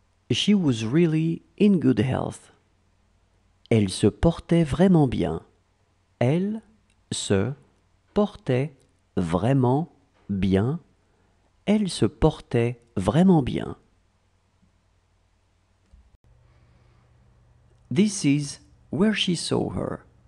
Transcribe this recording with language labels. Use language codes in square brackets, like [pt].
[en] She was really in good health. [fr] Elle se portait vraiment bien. Elle se portait vraiment bien. Elle se portait vraiment bien. [en] This is where she saw her.